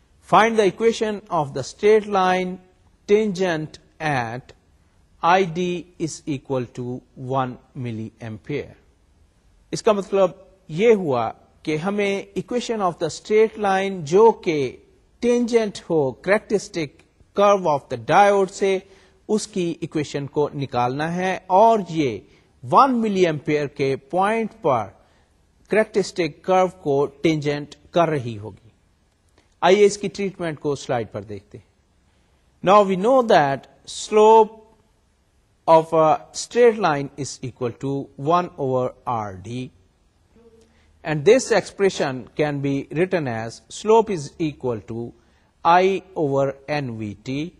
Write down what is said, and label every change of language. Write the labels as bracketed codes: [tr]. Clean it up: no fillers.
[en] Find the equation of the straight line tangent at ID is equal to 1 milliampere. [ur] اس کا مطلب یہ ہوا کہ ہمیں [en] equation of the straight line [ur] جو کہ tangent ہو [en] characteristic curve of the diode [ur] سے اس کی equation کو نکالنا ہے اور یہ 1 milliampere کے point پر کریکٹرسٹک کرو کو ٹینجنٹ کر رہی ہوگی. آئیے اس کی ٹریٹمنٹ کو سلائڈ پر دیکھتے ہیں. [en] Now we know that slope of a straight line is equal to 1 over RD and this expression can be written as slope is equal to I over NVT.